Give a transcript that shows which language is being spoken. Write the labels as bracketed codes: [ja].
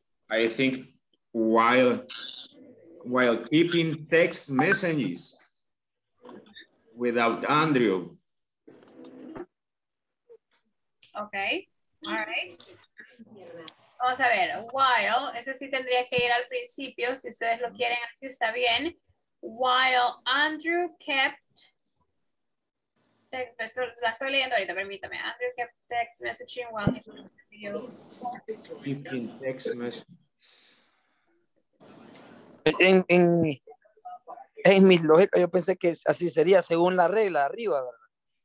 [en] I think while keeping text messages without Andrew. Okay, all right. [es] Vamos a ver, while, eso sí tendría que ir al principio, si ustedes lo quieren, así está bien. [en] While Andrew kept, [es] la estoy leyendo ahorita, permítame. [en] Andrew kept text messaging while he was in the video. Keeping text messages. [es] En mi lógica, yo pensé que así sería según la regla arriba, ¿verdad?